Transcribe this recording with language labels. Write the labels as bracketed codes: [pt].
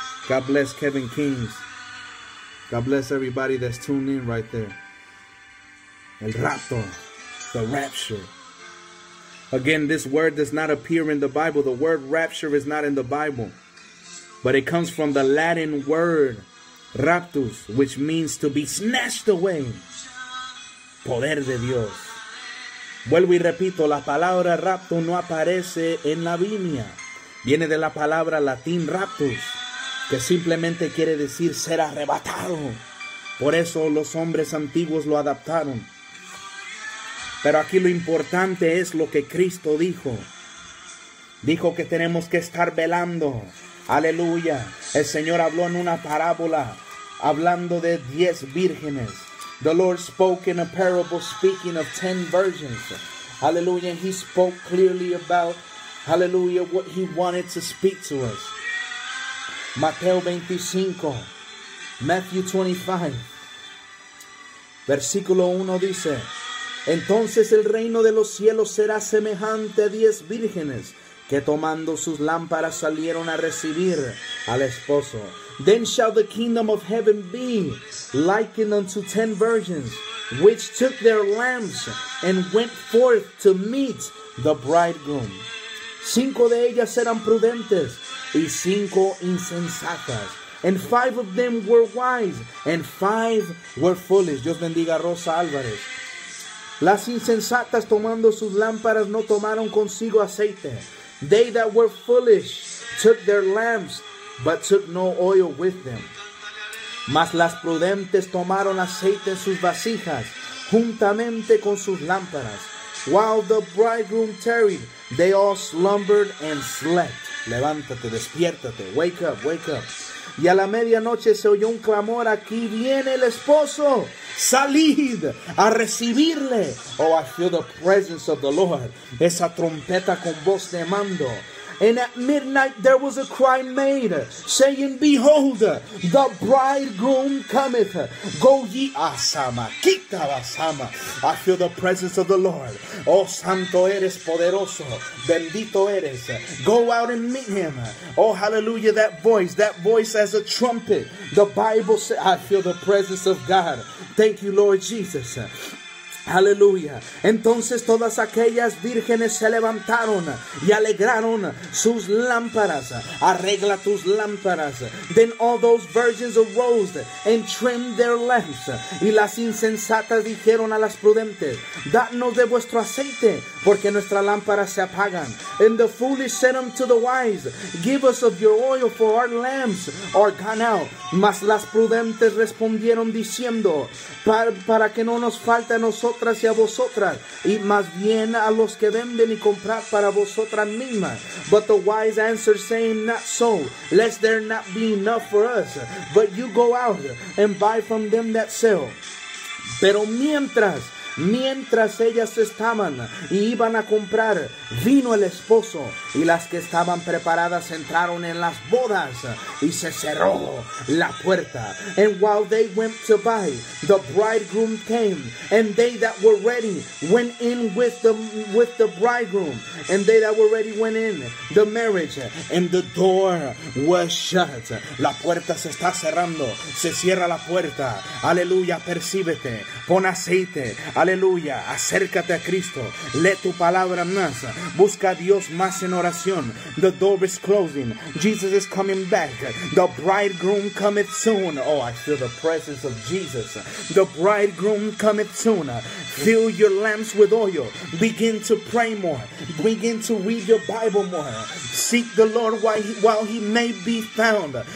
[en] God bless Kevin Kings. God bless everybody that's tuned in right there. [es] El rapto. [en] The rapture. Again, this word does not appear in the Bible. The word rapture is not in the Bible. But it comes from the Latin word raptus, which means to be snatched away. [es] Poder de Dios. Vuelvo y repito, la palabra rapto no aparece en la Biblia. Viene de la palabra latín raptus, que simplemente quiere decir ser arrebatado. Por eso los hombres antiguos lo adaptaron. Pero aquí lo importante es lo que Cristo dijo. Dijo que tenemos que estar velando. Aleluya. El Señor habló en una parábola, hablando de 10 vírgenes. [en] The Lord spoke in a parable speaking of 10 virgins. Aleluya. He spoke clearly about, aleluya, what he wanted to speak to us. [es] Mateo 25, Matthew 25, versículo 1 dice: Entonces el reino de los cielos será semejante a 10 vírgenes que tomando sus lámparas salieron a recibir al esposo. [en] Then shall the kingdom of heaven be likened unto 10 virgins which took their lamps and went forth to meet the bridegroom. [es] 5 de ellas eran prudentes y 5 insensatas. [en] And 5 of them were wise and 5 were foolish. [es] Dios bendiga a Rosa Álvarez. Las insensatas tomando sus lámparas no tomaron consigo aceite. [en] They that were foolish took their lamps, but took no oil with them. [es] Mas las prudentes tomaron aceite en sus vasijas, juntamente con sus lámparas. [en] While the bridegroom tarried, they all slumbered and slept. [es] Levántate, despiértate. [en] Wake up, wake up. [es] Y a la medianoche se oyó un clamor: aquí viene el esposo. Salid a recibirle. [en] Oh, I feel the presence of the Lord. [es] Esa trompeta con voz de mando. [en] And at midnight there was a cry made, saying, Behold, the bridegroom cometh. Go ye asama, quita asama. I feel the presence of the Lord. [es] Oh, santo eres, poderoso, bendito eres. [en] Go out and meet him. Oh, hallelujah, that voice as a trumpet. The Bible says, I feel the presence of God. Thank you, Lord Jesus. Aleluya. [es] Entonces todas aquellas vírgenes se levantaron y alegraron sus lámparas. Arregla tus lámparas. [en] Then all those virgins arose and trimmed their lamps. [es] Y las insensatas dijeron a las prudentes: Dadnos de vuestro aceite, porque nuestras lámparas se apagan. [en] And the foolish said unto the wise, Give us of your oil, for our lamps are gone out. [es] Mas las prudentes respondieron diciendo: Para que no nos falte a nosotros y a vosotras, y más bien a los que venden y comprar para vosotras mismas. [en] But the wise answered, saying, Not so, lest there not be enough for us. But you go out and buy from them that sell. [es] Pero mientras ellas estaban y iban a comprar, vino el esposo, y las que estaban preparadas entraron en las bodas, y se cerró la puerta. [en] And while they went to buy, the bridegroom came, and they that were ready went in with the bridegroom, and they that were ready went in the marriage, and the door was shut. [es] La puerta se está cerrando, se cierra la puerta. Aleluya, percíbete, pon aceite. Aleluya, acércate a Cristo, lee tu palabra más, busca a Dios más en oración. [en] The door is closing, Jesus is coming back, the bridegroom cometh soon. Oh, I feel the presence of Jesus, the bridegroom cometh soon. Fill your lamps with oil, begin to pray more, begin to read your Bible more. Seek the Lord while he may be found.